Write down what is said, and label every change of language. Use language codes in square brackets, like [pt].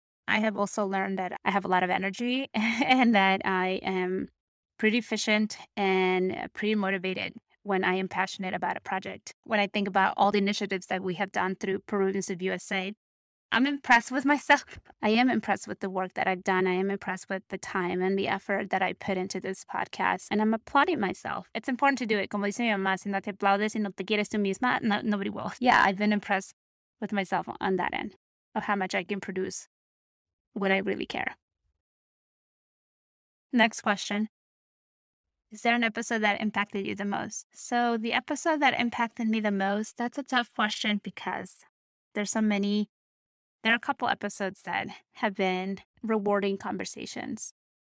[en] I have also learned that I have a lot of energy and that I am pretty efficient and pretty motivated when I am passionate about a project. When I think about all the initiatives that we have done through Peruvians of USA, I'm impressed with myself. I am impressed with the work that I've done. I am impressed with the time and the effort that I put into this podcast. And I'm applauding myself. It's important to do it. [es] Como dice mi mamá, si no te aplaudes y no te quieres tú misma, no, [en] nobody will. Yeah, I've been impressed with myself on that end of how much I can produce. Would I really care? Next question. Is there an episode that impacted you the most? So the episode that impacted me the most, that's a tough question because there are a couple episodes that have been rewarding conversations.